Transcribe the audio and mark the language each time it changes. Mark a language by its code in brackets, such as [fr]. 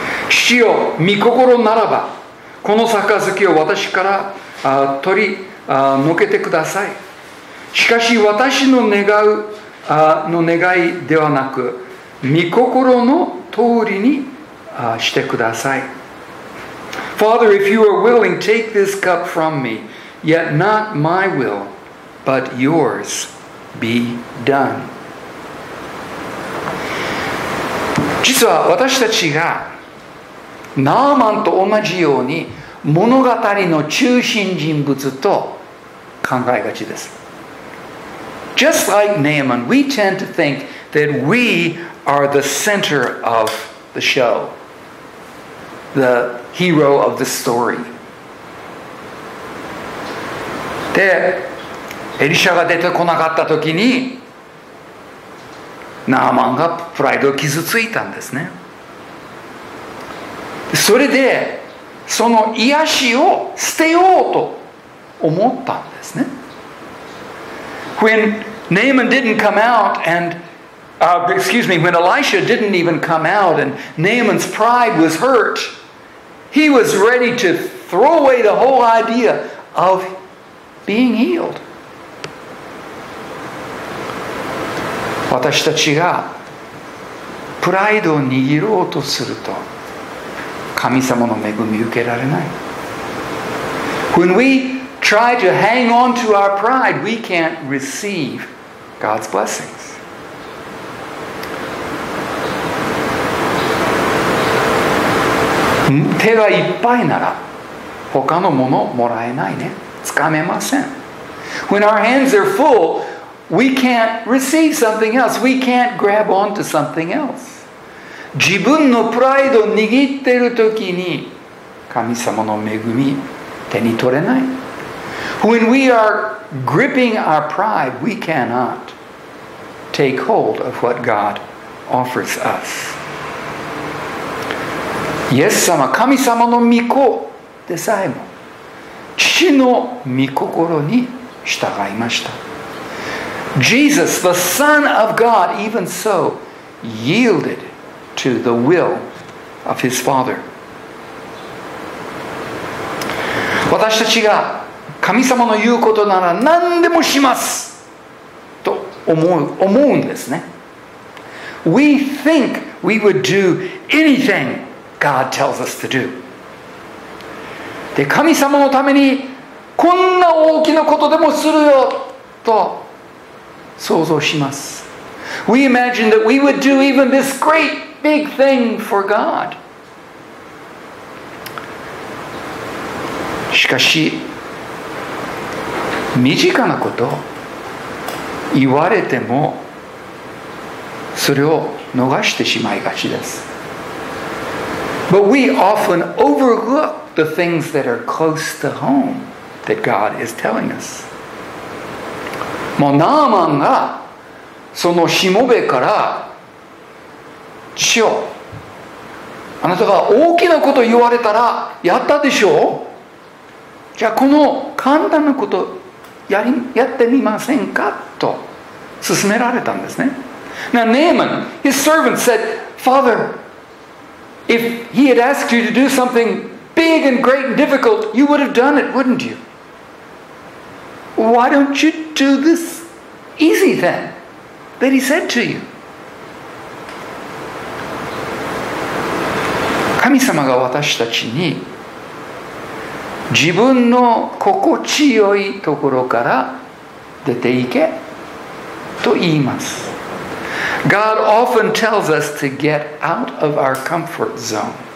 [ja] 主よ、御心ならばこの杯を私から取りのけてください。しかし私の願うの願いではなく御心の通りにしてください。 [en] Father, if you are willing, take this cup from me, yet not my will, but yours be done. [ja] 実は私たちがナーマンと同じように物語の中心人物と考えがちです。 [en] Just like Naaman, we tend to think that we are the center of the show, the hero of the story. [ja] で、エリシャが出てこなかったときに、ナーマンがプライドを傷ついたんですね。それで、その癒しを捨てようと思ったんですね。 [en] When Naaman didn't come out and, excuse me, when Elisha didn't even come out and Naaman's pride was hurt, he was ready to throw away the whole idea of being healed. [ja] 私たちがプライドを握ろうとすると神様の恵みを受けられない。 [en] When we try to hang on to our pride, we can't receiveGod's blessings. When our hands are full, we can't receive something else. We can't grab onto something else. [ja] 自分のプライドを握っているときに神様の恵み手に取れない。 [en] When we are gripping our pride, we cannot take hold of what God offers us. [ja] イエス様、神様の御子でさえも父の御心に従いました。 [en] Jesus, the Son of God, even so, yielded to the will of his Father. [ja] 私たちが神様の言うことなら何でもしますと思うんですね。 [en] We think we would do anything God tells us to do. [ja] で、神様のためにこんな大きなことでもするよと想像します。 [en] We imagine that we would do even this great big thing for God. [ja] しかし、身近なこと言われてもそれを逃してしまいがちです。 [en] But we often overlook the things that are close to home that God is telling us. [ja] もうナーマンがそのしもべから父よ、あなたが大きなこと言われたらやったでしょう。じゃあこの簡単なことやってみませんかと勧められたんですね。 [en] Now Naaman, his servant said, Father, if he had asked you to do something big and great and difficult, you would have done it, wouldn't you? Why don't you do this easy thing that he said to you? [ja] 神様が私たちに自分の心地よいところから出て行けと言います。 [en] God often tells us to get out of our comfort zone.